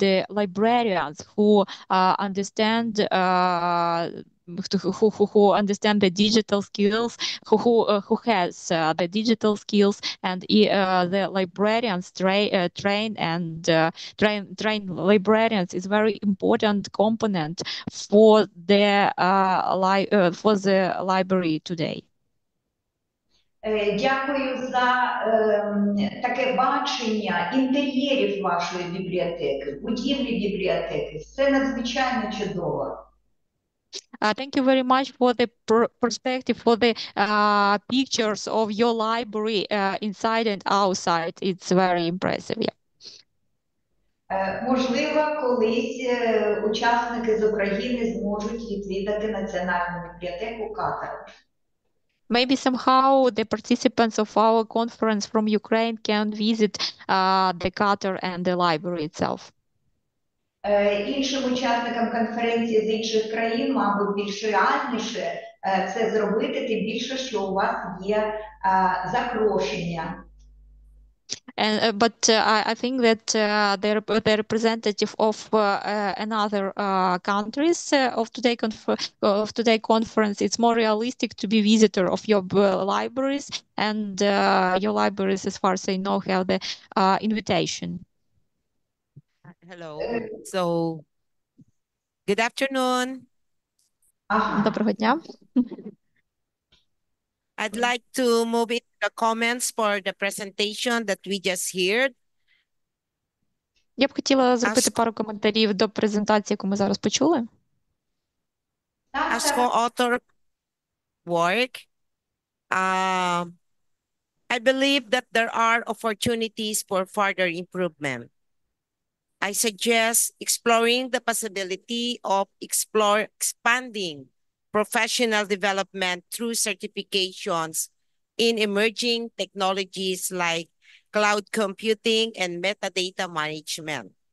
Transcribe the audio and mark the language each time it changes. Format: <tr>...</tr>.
<en>librarians who understand who understand the digital skills, who has the digital skills, and the librarians train librarians is very important component for the for the library today.</en> <uk>Дякую за таке бачення інтер'єрів вашої бібліотеки, будівлі бібліотеки. Все надзвичайно чудово.</uk> <en>Thank you very much for the perspective, for the pictures of your library inside and outside. It's very impressive. Yeah.</en> <uk>Можливо, колись учасники з України зможуть відвідати Національну бібліотеку Катару.</uk> <en>Maybe somehow the participants of our conference from Ukraine can visit the Qatar and the library itself.</en> <uk>Іншим учасникам конференції з інших країн, мабуть, більш реальніше це зробити, тим більше, що у вас є запрошення.</uk> <en>But I think that the representative of another countries of today conference, it's more realistic to be visitor of your libraries and your libraries, as far as I know, have the invitation. Hello. So, good afternoon.</en> <uk>Доброго дня.</uk> <en>I'd like to move into the comments for the presentation that we just heard.</en> <uk>Я б хотіла зробити пару коментарів до презентації, яку ми зараз почули.</uk> <en>As for author work, I believe that there are opportunities for further improvement. I suggest exploring the possibility of expanding professional development through certifications in emerging technologies like cloud computing and metadata management.</en>